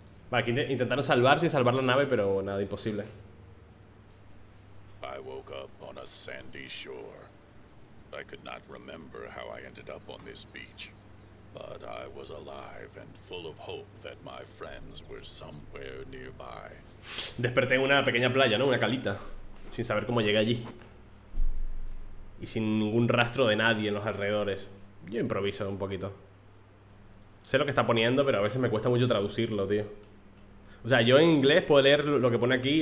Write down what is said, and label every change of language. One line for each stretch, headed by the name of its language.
Spanish: Vale, aquí intentaron salvar sin salvar la nave, pero nada, imposible.
English: I woke up on a sandy shore. I could not remember how I ended up on this beach. But I was alive and full of hope that my friends were somewhere nearby.
Spanish: Desperté en una pequeña playa, ¿no? Una calita. Sin saber cómo llegué allí. Y sin ningún rastro de nadie en los alrededores. Yo improviso un poquito. Sé lo que está poniendo, pero a veces me cuesta mucho traducirlo, tío. O sea, yo en inglés puedo leer lo que pone aquí.